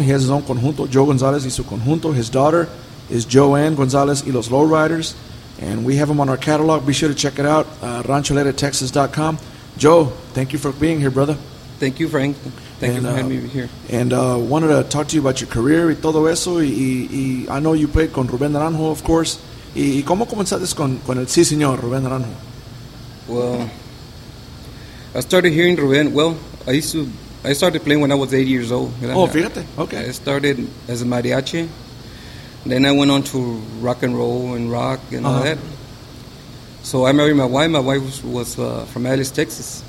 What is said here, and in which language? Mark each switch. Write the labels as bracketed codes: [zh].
[en] He has his own conjunto, Joe Gonzales y su conjunto. His daughter is Joanne Gonzales y los Lowriders. And we have them on our catalog. Be sure to check it out, RanchoLetaTexas.com. Joe, thank you for being here, brother. Thank you, Frank. Thank you for having me here. And wanted to talk to you about your career [es] y todo eso. [en] Y I know you played con Rubén Naranjo, of course. [es] ¿Y cómo comenzaste con el sí, señor, Rubén Naranjo? [en] Well, I started hearing Rubén. Well, I started playing when I was 8 years old. [es] Oh, fíjate. Okay. [en] I started as a mariachi. Then I went on to rock and roll and rock and all that. So I married my wife. My wife was from Alice, Texas.